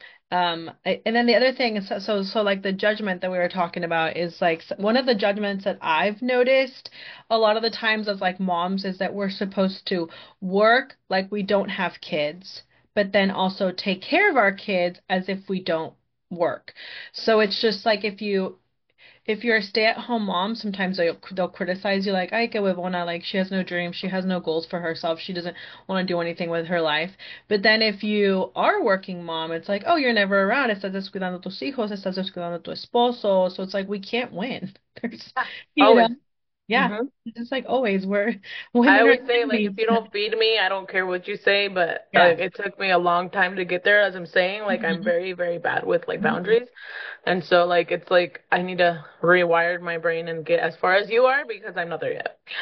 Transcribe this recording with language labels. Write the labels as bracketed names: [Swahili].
[English] And then the other thing is, so like the judgment that we were talking about is like one of the judgments that I've noticed a lot of the times as like moms is that we're supposed to work like we don't have kids, but then also take care of our kids as if we don't work. So it's just like if you're a stay-at-home mom, sometimes they'll criticize you like, [Spanish] "Ay, qué huevona," [English] like she has no dreams, she has no goals for herself, she doesn't want to do anything with her life. But then if you are a working mom, it's like, "Oh, you're never around. [Spanish] Estás descuidando tus hijos, estás descuidando tu esposo." [English] So it's like we can't win. There's, you know, Always. yeah, it's like always we're I women are always say, like, if enemies. you don't feed me, I don't care what you say, but like it took me a long time to get there, as I'm saying, like I'm very, very bad with like boundaries. And so like it's like I need to rewire my brain and get as far as you are because I'm not there yet.